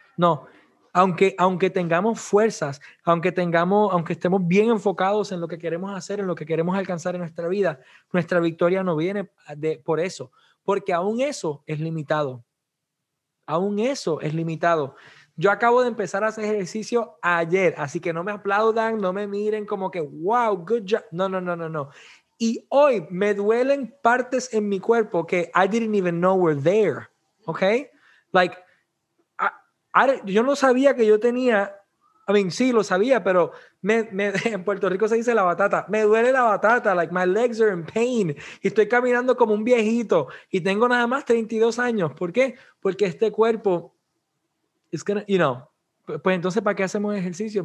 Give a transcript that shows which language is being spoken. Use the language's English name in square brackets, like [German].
[Spanish] No, aunque tengamos fuerzas, aunque estemos bien enfocados en lo que queremos hacer, en lo que queremos alcanzar en nuestra vida, nuestra victoria no viene por eso. Porque aún eso es limitado. Aún eso es limitado. Yo acabo de empezar a hacer ejercicio ayer, así que no me aplaudan, no me miren como que [English] wow, good job. [Spanish] No. Y hoy me duelen partes en mi cuerpo que [English] I didn't even know were there. Okay? [Spanish] Like, yo no sabía que yo tenía, [English] I mean, [Spanish] sí, lo sabía, pero en Puerto Rico se dice la batata. Me duele la batata, [English] like my legs are in pain. [Spanish] Y estoy caminando como un viejito y tengo nada más 32 años. ¿Por qué? Porque este cuerpo... [English] It's gonna, you know, [Spanish] pues entonces, ¿para qué hacemos ejercicio?